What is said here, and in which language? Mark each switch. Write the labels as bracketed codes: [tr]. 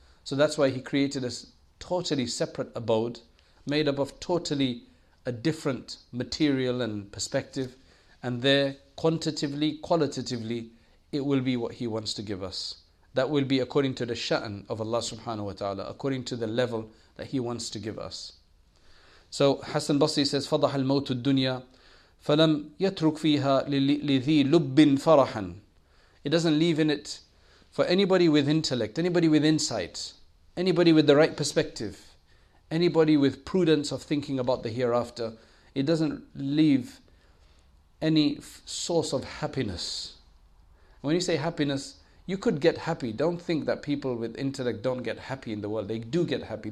[en] So that's why he created a totally separate abode, made up of totally a different material and perspective. And there, quantitatively, qualitatively, it will be what he wants to give us. That will be according to the sha'an of Allah subhanahu wa ta'ala, according to the level that he wants to give us. So Hassan Basri says, [ar] فَضَحَ الْمَوْتُ الدُّنْيَا فَلَمْ يَتْرُكْ فِيهَا لِذِي لُبِّنْ فَرَحًا. [en] It doesn't leave in it for anybody with intellect, anybody with insight, anybody with the right perspective, anybody with prudence of thinking about the hereafter. It doesn't leave any source of happiness. When you say happiness, you could get happy. Don't think that people with intellect don't get happy in the world. They do get happy.